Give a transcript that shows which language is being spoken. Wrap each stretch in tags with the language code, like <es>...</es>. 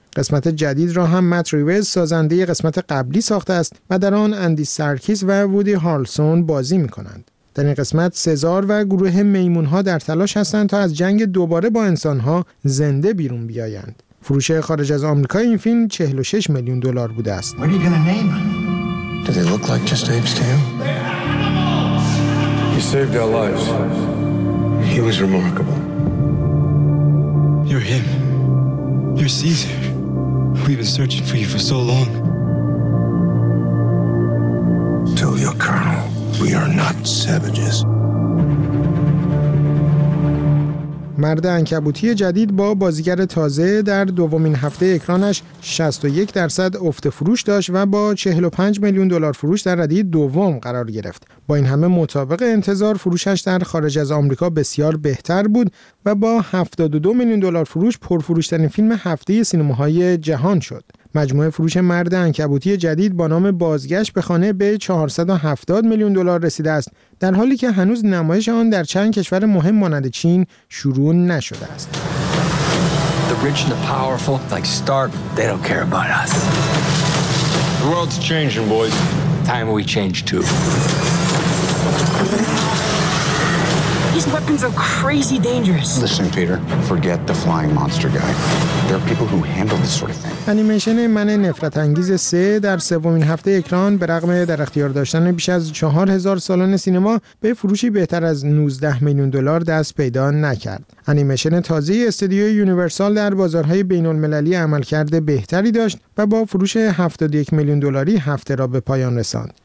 <fa>قسمت جدید را هم مت ریوز سازنده قسمت قبلی ساخته است و در آن اندی سرکیس و وودی هارلسون بازی می‌کنند. در این قسمت سزار و گروه میمون‌ها در تلاش هستند تا از جنگ دوباره با انسان‌ها زنده بیرون بیایند. فروش خارج از آمریکا این فیلم 46 میلیون دلار بوده است.</fa> <en>Do they look like just apes to you? He saved our lives. He was remarkable. You're him. You're Caesar. We've been searching for you for so long. Tell your colonel, we are not savages.</en> <fa>مرد عنکبوتی جدید با بازیگر تازه در دومین هفته اکرانش 61% افت فروش داشت و با 45 میلیون دلار فروش در ردی دوم قرار گرفت. با این همه مطابق انتظار فروشش در خارج از آمریکا بسیار بهتر بود و با 72 میلیون دلار فروش پرفروشترین فیلم هفته سینماهای جهان شد. مجموعه فروش مرد عنکبوتی جدید با نام بازگشت به خانه به 470 میلیون دلار رسیده است، در حالی که هنوز نمایش آن در چند کشور مهم مانند چین شروع نشده است.</fa> <en>The rich and the powerful like Stark, they don't care about us. The world's changing, boys. Time we change too. These weapons are crazy dangerous. Listen, Peter, forget the flying monster guy. There are people who handle this sort of thing.</en> <fa>انیمیشن من نفرت انگیز 3 در سومین هفته اکران به رغم در اختیار داشتن بیش از 4000 سالن سینما به فروشی بهتر از 19 میلیون دلار دست پیدا نکرد. انیمیشن تازه استودیوی یونیورسال در بازارهای بین المللی عملکرد بهتری داشت و با فروش 71 میلیون دلاری هفته را به پایان رساند.</fa>